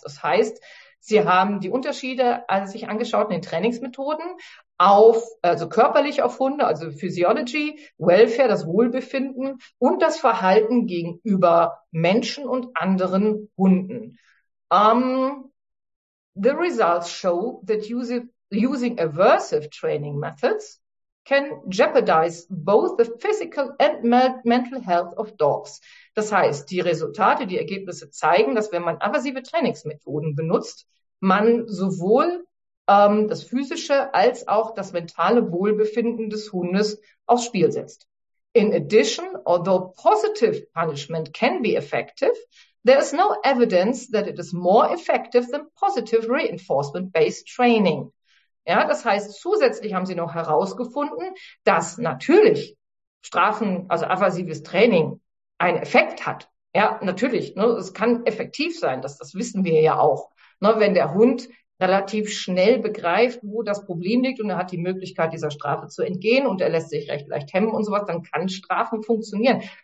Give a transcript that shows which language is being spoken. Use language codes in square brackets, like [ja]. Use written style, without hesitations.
[de] Das heißt, sie haben die Unterschiede, also sich angeschaut in den Trainingsmethoden auf, also körperlich auf Hunde, also Physiology, Welfare, das Wohlbefinden und das Verhalten gegenüber Menschen und anderen Hunden. [en] The results show that using aversive training methods can jeopardize both the physical and mental health of dogs. [de] Das heißt, die Resultate, die Ergebnisse zeigen, dass wenn man aversive Trainingsmethoden benutzt, man sowohl das physische als auch das mentale Wohlbefinden des Hundes aufs Spiel setzt. [en] In addition, although positive punishment can be effective, there is no evidence that it is more effective than positive reinforcement-based training. [de] Ja, das heißt, zusätzlich haben sie noch herausgefunden, dass natürlich Strafen, also aversives Training, einen Effekt hat. Ja, natürlich, ne, es kann effektiv sein, das wissen wir ja auch. Ne, wenn der Hund relativ schnell begreift, wo das Problem liegt und er hat die Möglichkeit, dieser Strafe zu entgehen und er lässt sich recht leicht hemmen und sowas, dann kann Strafen funktionieren.